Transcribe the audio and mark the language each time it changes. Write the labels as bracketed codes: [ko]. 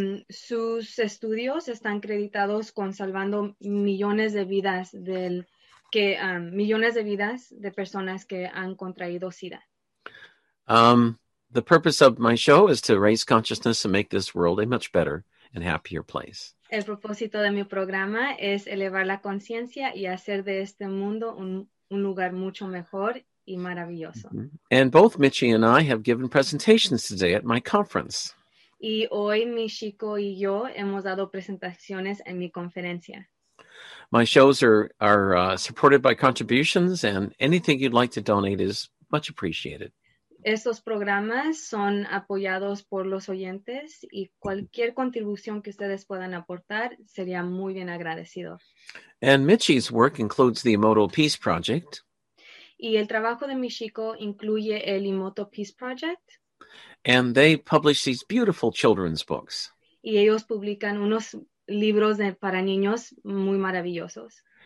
[es] Sus estudios están acreditados con salvando millones de vidas millones de vidas de personas que han contraído SIDA. [en] The purpose of my show is to raise consciousness and make this world a much better and happier place. [es] El propósito de mi programa es elevar la conciencia y hacer de este mundo un lugar mucho mejor y maravilloso. Mm-hmm. [en] And both Michi and I have given presentations today at my conference. [es] Y hoy Michiko y yo hemos dado presentaciones en mi conferencia. [en] My shows are supported by contributions, and anything you'd like to donate is much appreciated. [es] Estos programas son apoyados por los oyentes, y cualquier contribución que ustedes puedan aportar sería muy bien agradecido. [en] And Michi's work includes the Emoto Peace Project. [es] Y el trabajo de Michiko incluye el Emoto Peace Project. [en] And they publish these beautiful children's books. [es] Y ellos publican unos libros para niños muy maravillosos.